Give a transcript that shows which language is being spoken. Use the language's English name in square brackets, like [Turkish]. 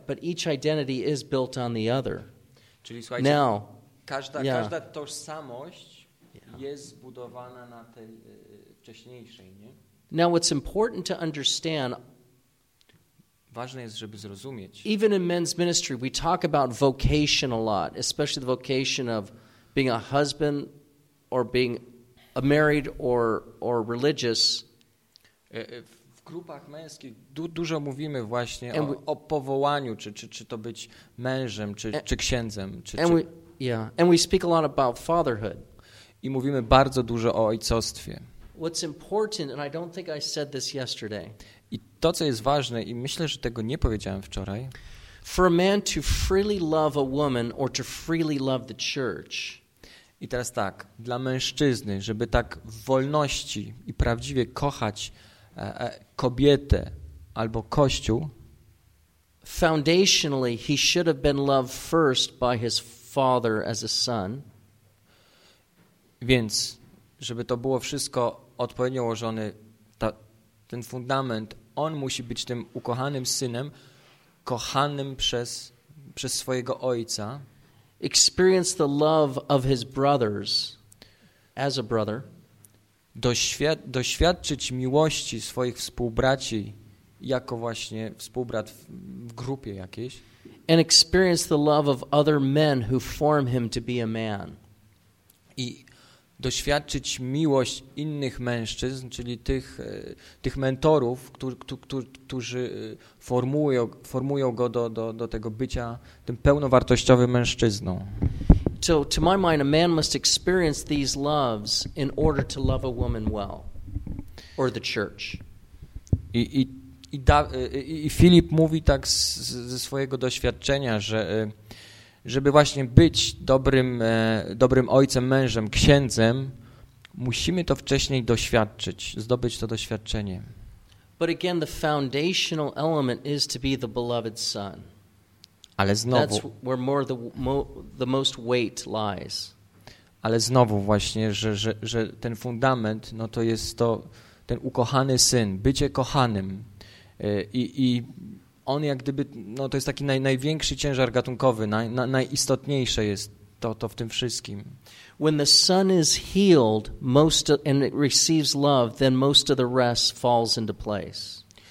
[English] But each identity is built on the other. [Polish] Czyli słuchajcie, now, każda tożsamość jest zbudowana na tej wcześniejszej, nie? [English] Now what's important to understand. [Polish] Ważne jest, żeby zrozumieć. [English] Even in men's ministry, we talk about vocation a lot, especially the vocation of being a husband or being a married or religious. [Polish] W grupach męskich dużo mówimy właśnie o powołaniu, czy to być mężem, czy księdzem, [English] And we speak a lot about fatherhood. [Polish] I mówimy bardzo dużo o ojcostwie. [English] What's important, and I don't think I said this yesterday. [Polish] I to, co jest ważne, i myślę, że tego nie powiedziałem wczoraj. [English] For a man to freely love a woman or to freely love the church. [Polish] I teraz tak, dla mężczyzny, żeby tak w wolności i prawdziwie kochać kobietę albo kościół. [English] Foundationally, he should have been loved first by his father as a son. [Polish] Więc, żeby to było wszystko odpowiednio ułożone, ten fundament, on musi być tym ukochanym synem, kochanym przez swojego ojca. [English] Experience the love of his brothers as a brother. [Polish] Doświadczyć miłości swoich współbraci jako właśnie współbrat w grupie jakiejś. [English] And experience the love of other men who form him to be a man. [Polish] I doświadczyć miłość innych mężczyzn, czyli tych mentorów, którzy formują go do tego bycia tym pełnowartościowym mężczyzną. [English] So to my mind, a man must experience these loves in order to love a woman well, or the church. [Polish] I Filip mówi tak ze swojego doświadczenia, że żeby właśnie być dobrym ojcem, mężem, księdzem, musimy to wcześniej doświadczyć, zdobyć to doświadczenie. [English] But again, the foundational element is to be the beloved son. [Polish] Ale znowu, [English] that's where more the most weight lies. [Polish] Ale znowu właśnie, że ten fundament, no to jest to ten ukochany syn, bycie kochanym. I on jak gdyby, no to jest taki największy ciężar gatunkowy, najistotniejsze jest to w tym wszystkim. [English] When the son is healed most of, and it receives love, then most of the rest falls into place.